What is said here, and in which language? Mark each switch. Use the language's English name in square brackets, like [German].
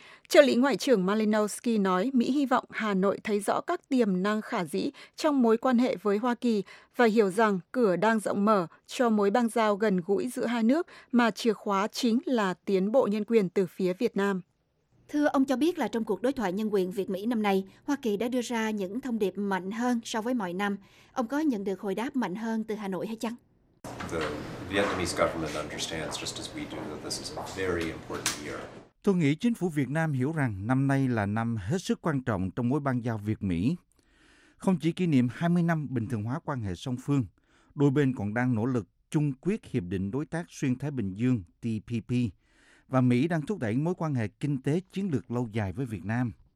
[Vietnamese] Trợ lý Ngoại trưởng Malinowski nói Mỹ hy vọng Hà Nội thấy rõ các tiềm năng khả dĩ trong mối quan hệ với Hoa Kỳ và hiểu rằng cửa đang rộng mở cho mối bang giao gần gũi giữa hai nước mà chìa khóa chính là tiến bộ nhân quyền từ phía Việt Nam. Thưa ông, cho biết là trong cuộc đối thoại nhân quyền Việt-Mỹ năm nay, Hoa Kỳ đã đưa ra những thông điệp mạnh hơn so với mọi năm. Ông có nhận được hồi đáp mạnh hơn từ Hà Nội hay chăng? [English] The Vietnamese government understands just as we do that this is a very important year. [Vietnamese] Tôi nghĩ chính phủ Việt Nam hiểu rằng năm nay là năm hết sức quan trọng trong mối bang giao Việt-Mỹ. Không chỉ kỷ niệm 20 năm bình thường hóa quan hệ song phương, đôi bên còn đang nỗ lực chung quyết Hiệp định Đối tác Xuyên Thái Bình Dương TPP và Mỹ đang thúc đẩy mối quan hệ kinh tế chiến lược lâu dài với Việt Nam.